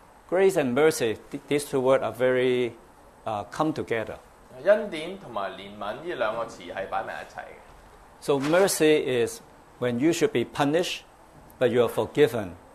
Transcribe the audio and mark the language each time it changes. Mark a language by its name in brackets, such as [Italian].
[English] Grace and mercy, these two words are very come together. [Chinese] 恩典和憐憫這兩個詞是放在一起的。 [English] So mercy is when you should be punished, but you are forgiven.